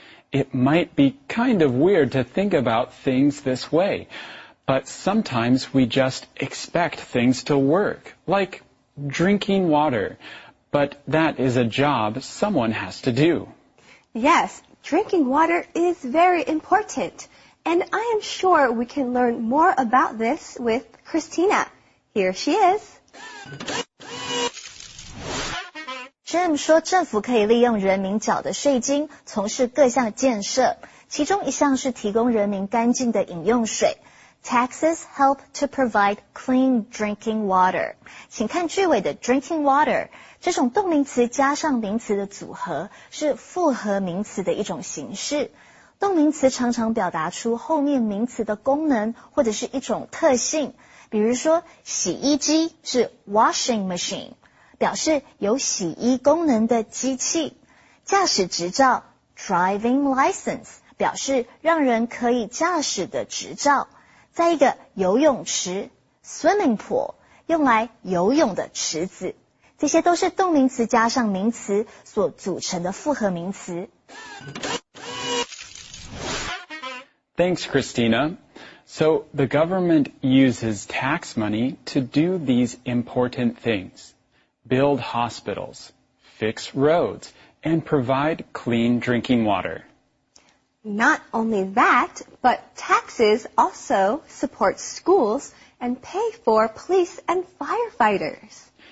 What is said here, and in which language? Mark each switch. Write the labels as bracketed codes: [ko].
[en] It might be kind of weird to think about things this way, but sometimes we just expect things to work, like drinking water. But that is a job someone has to do. Yes, drinking water is very important. And I am sure we can learn more about this with Christina. Here she is. [zh] Jim 说政府可以利用人民缴的税金从事各项建设，其中一项是提供人民干净的饮用水。 [en] Taxes help to provide clean drinking water. [zh] 请看句尾的 drinking water, 这种动名词加上名词的组合是复合名词的一种形式。动名词常常表达出后面名词的功能或者是一种特性，比如说洗衣机是 washing machine, 表示有洗衣功能的机器。驾驶执照 driving license, 表示让人可以驾驶的执照。再一个游泳池 swimming pool, 用来游泳的池子。这些都是动名词加上名词所组成的复合名词。 [en] Thanks, Christina. So the government uses tax money to do these important things. Build hospitals, fix roads, and provide clean drinking water. Not only that, but taxes also support schools and pay for police and firefighters.